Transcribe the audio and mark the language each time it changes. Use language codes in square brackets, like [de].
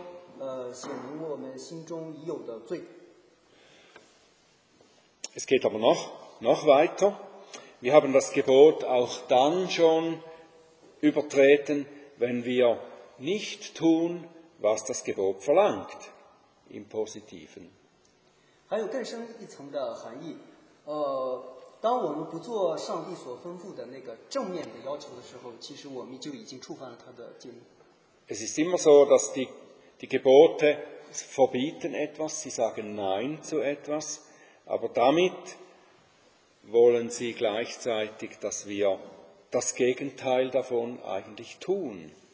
[zh] 让别人的生活增加负担，都是我们心中所思念和恶事所结出的果子。这些事情都显明我们心中已有的罪。 [de] Es geht aber noch weiter. Wir haben das Gebot auch dann schon übertreten, wenn wir nicht tun, was das Gebot verlangt, im Positiven. [zh] 还有更深一层的含义。当我们不做上帝所吩咐的那个正面的要求的时候，其实我们就已经触犯了他的诫命。 [de] Es ist immer so, dass die Gebote verbieten etwas, sie sagen Nein zu etwas, aber damit wollen sie gleichzeitig, dass wir das Gegenteil davon eigentlich tun.